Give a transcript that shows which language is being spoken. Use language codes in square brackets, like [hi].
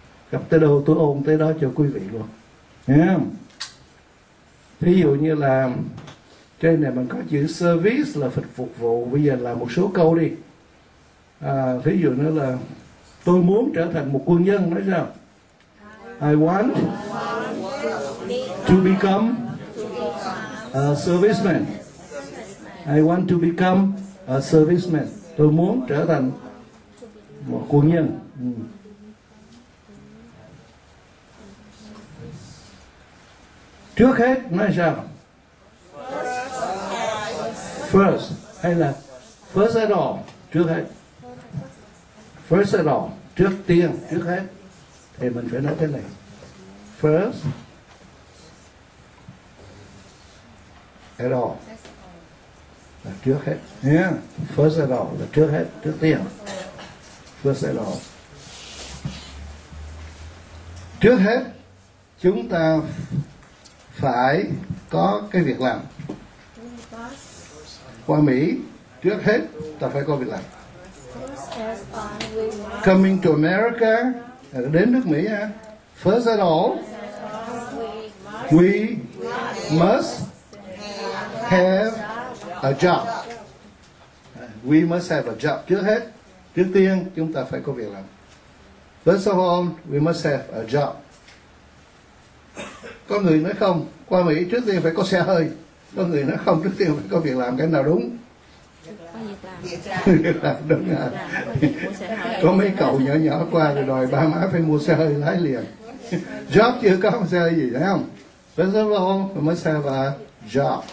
[vi] Gặp tới đâu tôi ôn tới đó cho quý vị luôn. Nghe không? Ví dụ như là trên này mình có chữ service là phục vụ. Bây giờ là một số câu đi. À, ví dụ nữa là tôi muốn trở thành một quân nhân. Nói sao? [en] I want to become a serviceman. I want to become a serviceman. [vi] Tôi muốn trở thành một quân nhân. Trước hết nói sao? First hay là first at all? Trước hết. First at all, trước tiên, trước hết. Thì mình phải nói thế này. First at all là trước hết. Yeah. First at all là trước hết, trước tiên. First at all. Trước hết, chúng ta phải có cái việc làm. Qua Mỹ, trước hết ta phải có việc làm. [en] Coming to America, [vi] đến nước Mỹ, [en] first of all, we must have a job. We must have a job. [vi] Trước hết, trước tiên, chúng ta phải có việc làm. [en] First of all, we must have a job. [vi] Có người nói không, qua Mỹ trước tiên phải có xe hơi. Có người nói không, trước tiên phải có việc làm. Cái nào đúng? Đúng rồi. Có mấy cậu nhỏ nhỏ qua rồi đòi ba má phải mua xe hơi lái liền. Job chưa có xe hơi gì, thấy không? [en] First of all, we must have a job.